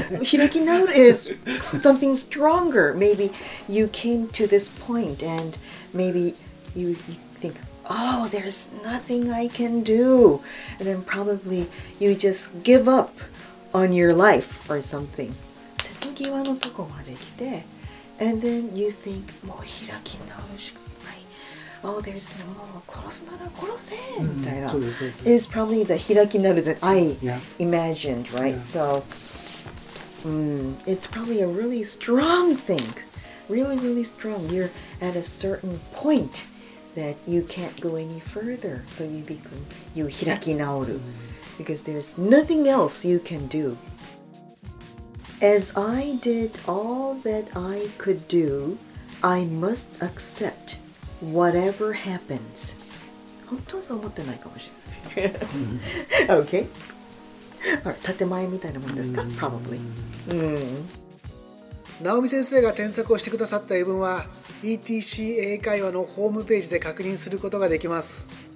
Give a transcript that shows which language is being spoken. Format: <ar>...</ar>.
<en>hiraki naoru is something stronger. Maybe you came to this point and maybe you think, oh, there's nothing I can do. And then probably you just give upOn your life or something.</en> <ja>瀬戸際のとこまで来て</ja> <en>And then you think,</en> <ja>もう開き直しかない</ja> <en>Oh, there's no more.</en> <ja>殺すなら殺せみたいな</ja> <en>Is probably the 開き直る that I imagined, right? Yeah. So, it's probably a really strong thing. Really, really strong. You're at a certain point that you can't go any further. So you become, you 開き直る、Because there's nothing else you can do. As I did all that I could do, I must accept whatever happens.</en> <ja>本当はそう思ってないかもしれない。</ja> <en>Okay.</en> <ja>建前みたいなもんですか?</ja> <en>Probably.</en> <ja>ナオミ先生が添削をしてくださった英文は ETC 英会話のホームページで確認することができます。</ja>